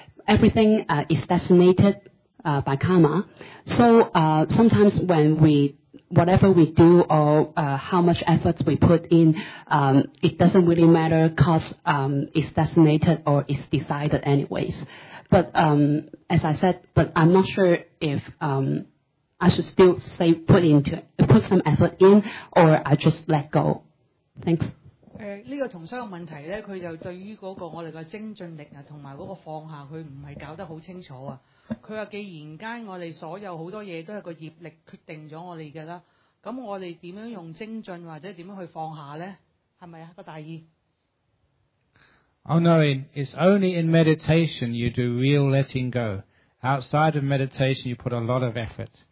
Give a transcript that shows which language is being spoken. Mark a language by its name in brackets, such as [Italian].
[English] Everything is designated by karma. So sometimes when whatever we do or how much effort we put in, it doesn't really matter because it's designated or it's decided anyways. But I'm not sure if I should still say put some effort in or I just let go. Thanks. [Chinese] 这个同修的问题呢，他就对于那个我们的精进力和那个放下，他不是搞得很清楚。他说既然间我们所有很多东西都是个业力决定了我们的，那我们怎样用精进或者怎样去放下呢？是不是大意？ [English] Oh no, it's only in meditation you do real letting go. Outside of meditation you put a lot of effort.